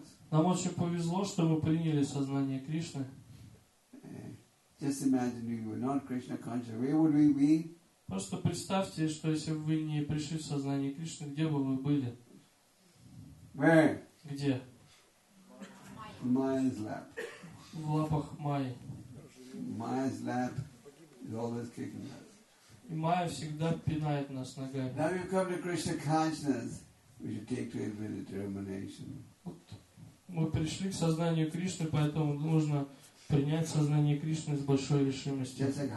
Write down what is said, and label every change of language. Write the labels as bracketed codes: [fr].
[ru] Нам очень повезло, что мы приняли сознание Кришны. [en] Just imagine if we were not Krishna conscious, where would we be? [ru] Просто представьте, что если бы вы не пришли в сознание Кришны, где бы вы были? [en] Where? [ru] Где? [en] In Maya's lap. [ru] В лапах Майи. [en] Maya's lap is always kicking us. [ru] И Майя всегда пинает нас ногами. [en] Now you come to Krishna consciousness, we should take to infinite determination. [ru] мы пришли к сознанию Кришны, поэтому нужно принять сознание Кришны с большой решимостью.